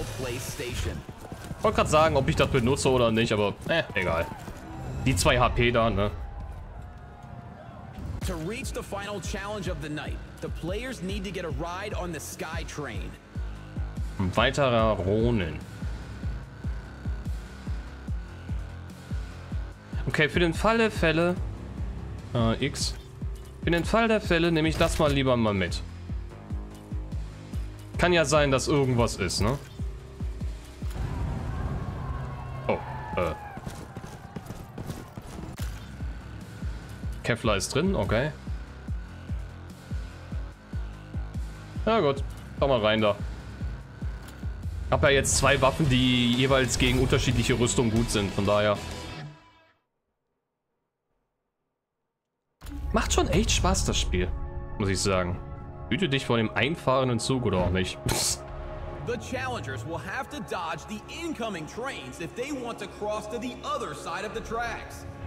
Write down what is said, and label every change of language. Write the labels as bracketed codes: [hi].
[de] Ich wollte gerade sagen, ob ich das benutze oder nicht, aber egal. Die 2 HP da, ne? [en] To reach the final challenge of the night, the players need to get a ride on the Sky Train. [de] Ein weiterer Ronin. Okay, für den Fall der Fälle. X. Für den Fall der Fälle nehme ich das mal lieber mal mit. Kann ja sein, dass irgendwas ist, ne? Kevlar ist drin, okay. Na gut, komm mal rein da. Hab ja jetzt 2 Waffen, die jeweils gegen unterschiedliche Rüstungen gut sind, von daher. Macht schon echt Spaß, das Spiel, muss ich sagen. Hüte dich vor dem einfahrenden Zug oder auch nicht. [en] The challengers will have to dodge the incoming trains if they want to cross to the other side of the tracks.